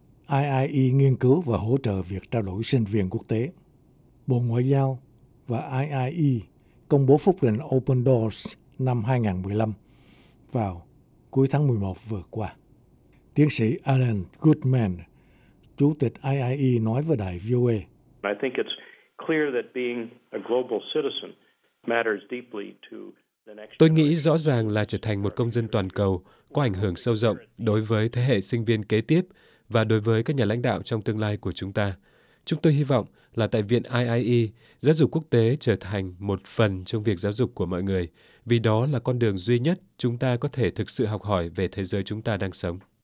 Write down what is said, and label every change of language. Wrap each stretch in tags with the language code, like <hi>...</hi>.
<vi>IIE nghiên cứu và hỗ trợ việc trao đổi sinh viên quốc tế. Bộ Ngoại giao và IIE công bố phúc trình Open Doors năm 2015 vào cuối tháng 11 vừa qua. Tiến sĩ Alan Goodman, Chủ tịch IIE nói với đài VOA.</vi> <en>I think it's clear that being a global citizen matters deeply to the next.</en> <vi>Tôi nghĩ rõ ràng là trở thành một công dân toàn cầu có ảnh hưởng sâu rộng đối với thế hệ sinh viên kế tiếp và đối với các nhà lãnh đạo trong tương lai của chúng ta. Chúng tôi hy vọng là tại Viện IIE, giáo dục quốc tế trở thành một phần trong việc giáo dục của mọi người, vì đó là con đường duy nhất chúng ta có thể thực sự học hỏi về thế giới chúng ta đang sống.</vi>